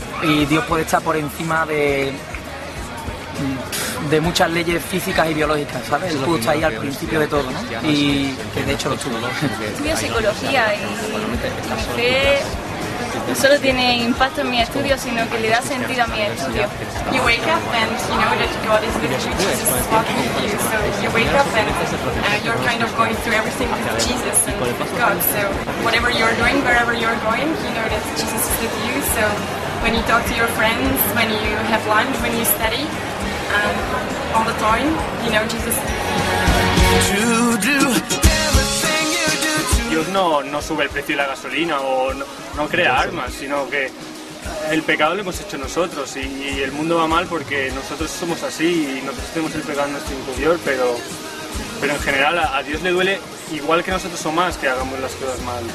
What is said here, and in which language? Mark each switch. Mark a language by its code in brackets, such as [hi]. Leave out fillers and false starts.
[es] Y Dios puede estar por encima de muchas leyes físicas y biológicas, ¿sabes? Él pudo estar ahí al principio de todo, ¿no? Y que de hecho lo estuvo. Estudio psicología y mi fe no solo tiene impacto en mi estudio, sino que le da sentido a mi estudio. [en] You wake up and you know that God is with you, Jesus is walking with you. So you wake up and you're kind of going through everything with Jesus and God. So whatever you're doing, wherever you're going, you know that Jesus is with you. So when you talk to your friends, when you have lunch, when you study, all the time, you know Jesus is with you. [es] Dios no sube el precio de la gasolina o no crea armas, sino que el pecado lo hemos hecho nosotros y el mundo va mal porque nosotros somos así y nosotros tenemos el pecado en nuestro interior, pero en general a Dios le duele igual que nosotros o más que hagamos las cosas mal.